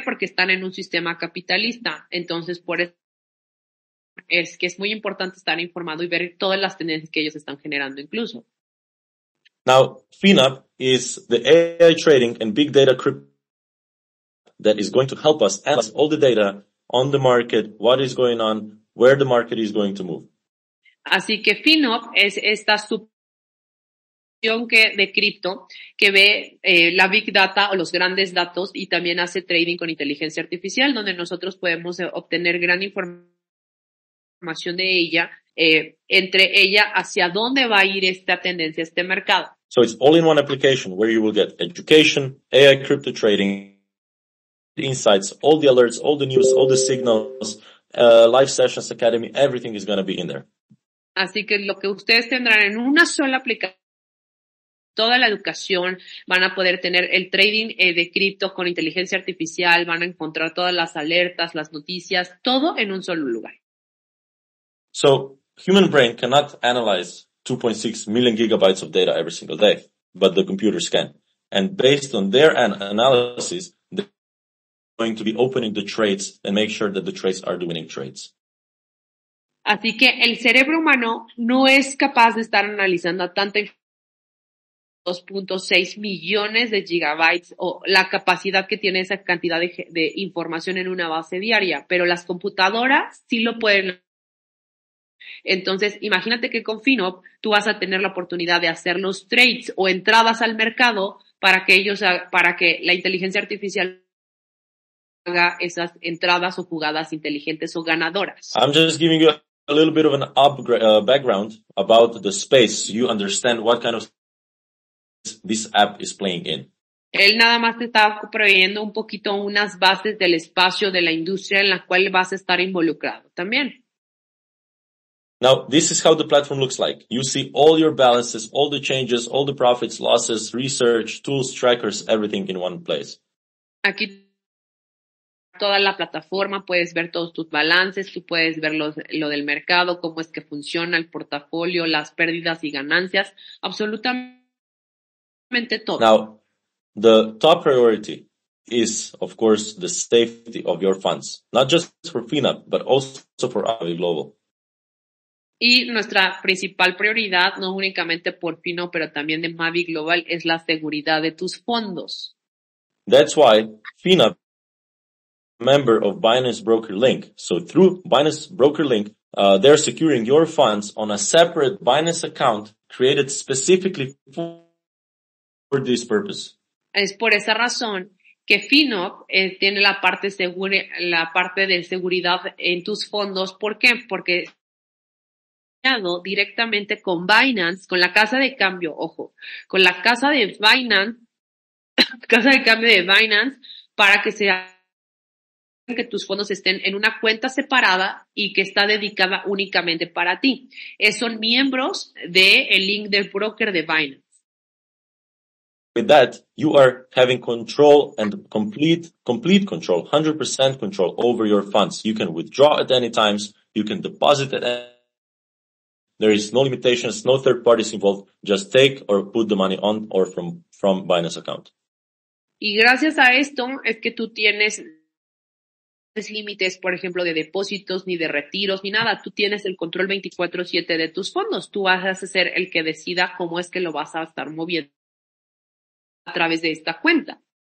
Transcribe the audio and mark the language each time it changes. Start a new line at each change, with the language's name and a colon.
Spanish: Porque están en un sistema capitalista. Entonces, por eso es que es muy importante estar informado y ver todas las tendencias que ellos están generando incluso.
English: Now, FINAP is the AI trading and big data crypto that is going to help us analyze all the data on the market, what is going on, where the market is going to move.
Spanish: Así que FINAP es esta subvención de cripto que ve la big data o los grandes datos y también hace trading con inteligencia artificial donde nosotros podemos obtener gran información de ella, entre ella, hacia dónde va a ir esta tendencia, este mercado.
English: So it's all in one application where you will get education, AI crypto trading, insights, all the alerts, all the news, all the signals, Live Sessions Academy, everything is going to be in there.
Spanish: Así que lo que ustedes tendrán en una sola aplicación, toda la educación, van a poder tener el trading de cripto con inteligencia artificial, van a encontrar todas las alertas, las noticias, todo en un solo lugar.
English: So, human brain cannot analyze 2.6 million gigabytes of data every single day, but the computers can. And based on their analysis, they're going to be opening the trades and make sure that the trades are the winning trades.
Spanish: Así que el cerebro humano no es capaz de estar analizando tanta información, 2.6 millones de gigabytes o la capacidad que tiene esa cantidad de información en una base diaria, pero las computadoras sí lo pueden. Entonces, imagínate que con FinOp tú vas a tener la oportunidad de hacer los trades o entradas al mercado para que la inteligencia artificial haga esas entradas o jugadas inteligentes o ganadoras.
English: I'm just giving you a little bit of an upgrade, background about the space. You understand what kind of space this app is playing in.
Spanish: Él nada más te estaba proveyendo un poquito unas bases del espacio de la industria en la cual vas a estar involucrado también.
English: Now, this is how the platform looks like. You see all your balances, all the changes, all the profits, losses, research, tools, trackers, everything in one place.
Spanish: Aquí toda la plataforma, puedes ver todos tus balances, tú puedes ver lo del mercado, cómo es que funciona el portafolio, las pérdidas y ganancias, absolutamente todo.
English: Now, the top priority is, of course, the safety of your funds, not just for FinUp, but also for Avi Global.
Spanish: Y nuestra principal prioridad, no únicamente por Fino, pero también de Mavi Global, es la seguridad de tus fondos.
English: That's why Fino, member of Binance Broker Link. So through Binance Broker Link, they're securing your funds on a separate Binance account created specifically for this purpose.
Spanish: Es por esa razón que Fino tiene la parte de seguridad en tus fondos. ¿Por qué? Porque directamente con Binance, con la casa de cambio, ojo, con la casa de Binance, casa de cambio de Binance, para que sea que tus fondos estén en una cuenta separada y que está dedicada únicamente para ti. Son miembros del link del broker de Binance.
English: With that, you are having control and complete control, 100% control over your funds. You can withdraw at any times, you can deposit at any. There is no limitations, no third parties involved. Just take or put the money on or from Binance account.
Spanish: Y gracias a esto es que tú tienes límites, por ejemplo, de depósitos, ni de retiros, ni nada. Tú tienes el control 24/7 de tus fondos. Tú vas a ser el que decida cómo es que lo vas a estar moviendo a través de esta cuenta.